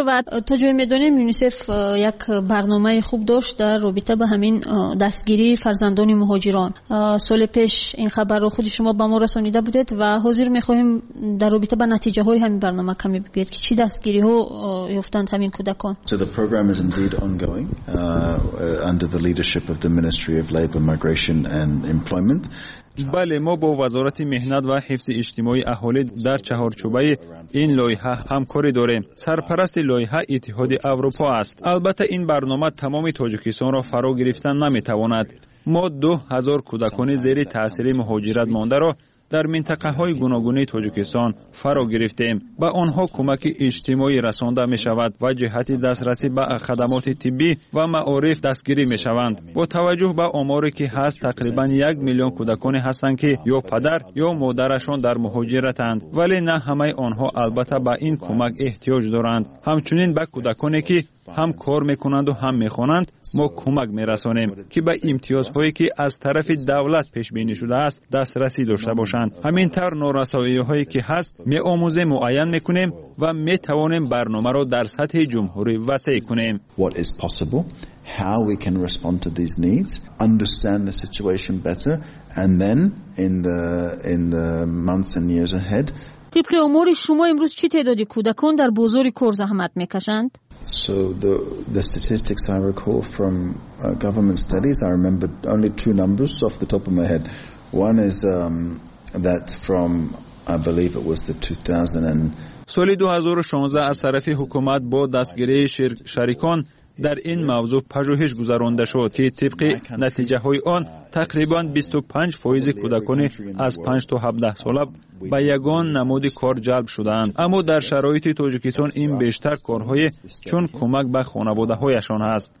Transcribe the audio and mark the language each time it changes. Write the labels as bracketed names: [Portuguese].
[Persian] و تا جایی می دانیم یونیسف یک برنامه خوب داشت در رابطه به همین دستگیری فرزندان مهاجران. سال پیش این خبر رو خود شما به ما رسانیده بودید و حاضر می خواهیم در رابطه به نتیجه های همین برنامه کمی بگید که چی دستگیری ها یافتند همین کودکان. [English] So the program is indeed ongoing under the leadership of the Ministry of Labour, Migration and Employment. [Persian] بله، ما با وزارت مهنت و حفظ اجتماعی اهالی در چهارچوبه این لایحه همکاری داریم. سرپرست لایحه اتحاد اروپا است. البته این برنامه تمام تاجیکستان را فرا گرفتن نمی تواند. ما 2000 کودکان زیر تاثیر مهاجرت مانده را در منطقه های گوناگونی تاجیکستان فرا گرفتیم. با آنها کمک اجتماعی رسانده می شود و جهت دسترسی به خدمات طبی و معارف دستگیری می شوند. با توجه به آماری که هست تقریبا 1 میلیون کودکان هستند که یا پدر یا مادرشان در مهاجرتند، ولی نه همه آنها البته به این کمک احتیاج دارند. همچنین به کودکانی که هم کار میکنند و هم میخوانند ما کمک میرسانیم که به امتیازهایی که از طرف دولت پیش بینی شده است دسترسی داشته باشند. همین طور نارسایی هایی که هست میآموزه معین میکنیم و میتوانیم برنامه را در سطح جمهوری وسیع کنیم. [English] What is possible, how we can respond to these needs, understand the situation better, and then in the months and years ahead. [Persian] طبق آمار شما امروز چه تعدادی کودکان در بازار کار زحمت میکشند؟ [English] So the statistics I recall from government studies, I remember only two numbers off the top of my head. One is that from, I believe it was the 2000. [Persian] سال 2016 از طرف حکومت با دستگیری شریکان در این موضوع پژوهش گذرانده شد که طبق نتیجه های آن تقریبا 25% کودکان از 5 تا 17 ساله با یگان نمود کار جلب شدند. اما در شرایط تاجیکستان این بیشتر کارهای چون کمک به خانواده هایشان هست.